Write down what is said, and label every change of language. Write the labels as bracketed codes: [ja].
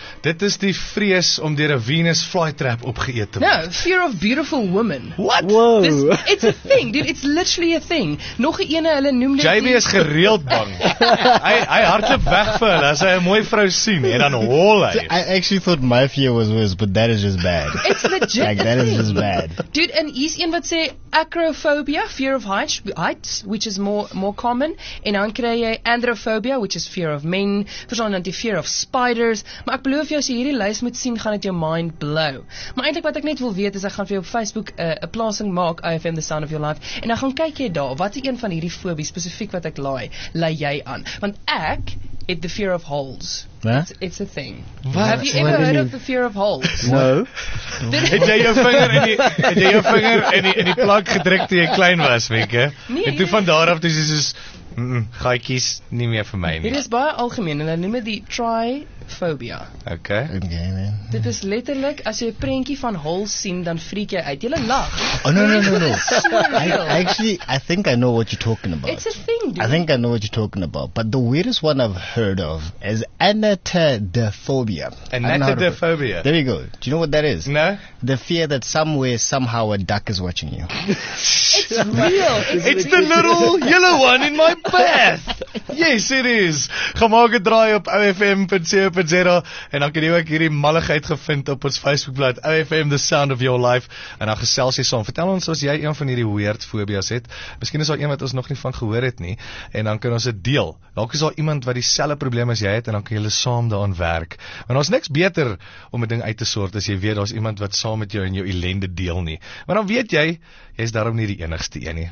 [af] Dit is die vrees om deur 'n Venus flytrap opgeëet te word. [en] No, fear of beautiful women. What? Whoa. It's a thing, dude. It's literally a thing. [af] Nog ene, hulle noem dit... JB is gereeld bang. Hy hardloop weg vir hulle as hy 'n mooi vrou sien en dan hol hy. [en] I actually thought my fear was worse, but that is just bad. It's legit. Like, that is just bad. [af] Dude, en is een wat sê acrophobia, [en] fear of heights, which is more common, [af] en dan kry jy androphobia, [en] which is fear of men, [af] verstaan dan die [en] fear of spiders, [af] maar ek beloof jou, as jy hierdie lys moet sien, gaan het jou mind blow. Maar eintlik wat ek net wil weet, is ek gaan vir jou op Facebook een plasing maak, IFM The Sound Of Your Life, en dan gaan kyk jy daar, wat is een van hierdie fobie, specifiek wat ek laai, laai jy aan. Want ek het [en] the fear of holes. It's a thing. What? Have you ever heard of the fear of holes? No. [af] Het jy jou vinger in die plank gedruk toe jy klein was, Wieke? Nee. En toe van daar af, toe is jy soos, gaikies, nie meer vir my nie. Dit is baie algemeen, en hulle noem het die triphobia. [en] Okay. Okay, man. [af] Dit is letterlik, as jy 'n prentjie van holes sien, dan freak jy uit. Jy lag. [en] Oh, no. I think I know what you're talking about. It's a thing, dude. I think I know what you're talking about. But the weirdest one I've heard of is anatidophobia. Anatidophobia. There you go. Do you know what that is? No. The fear that somewhere, somehow, a duck is watching you. It's real. It's the little yellow one in my bath. Yes, it is. [af] Ga maak 'n draai op ofm.co.za en dan kan jy ook hierdie malligheid gevind op ons Facebookblad OFM The Sound Of Your Life en dan gesels jy saam. Vertel ons as jy een van hierdie weird fobias het. Miskien is daar een wat ons nog nie van gehoor het nie en dan kan ons dit deel. Dalk is daar iemand wat dieselfde probleem as jy het en dan kan julle saam daaraan werk. Want ons niks beter om 'n ding uit te sort as jy weet daar's iemand wat saam met jou in jou ellende deel nie. Maar dan weet jy, jy is daarom nie die enigste een nie.